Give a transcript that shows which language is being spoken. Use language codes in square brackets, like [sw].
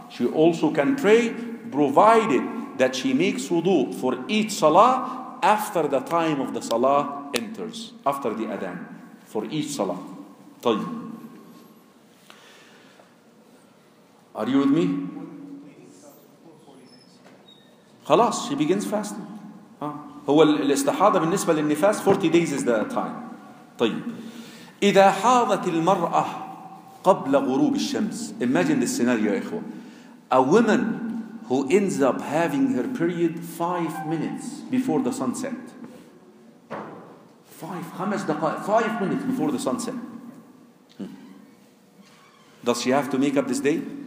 [en] She also can pray, provided that she makes wudu for each salah after the time of the salah enters, after the adhan, for each salah. [ar] طيب. [en] Are you with me? خلاص, she begins fasting. [ar] هو الاستحاضة بالنسبة للنفاس, [en] 40 days is the time. [ar] طيب. إذا حاضت المرأة قبل غروب الشمس. [en] Imagine this scenario, إخوة. A woman who ends up having her period 5 minutes before the sunset. Five minutes before the sunset. Does she have to make up this day?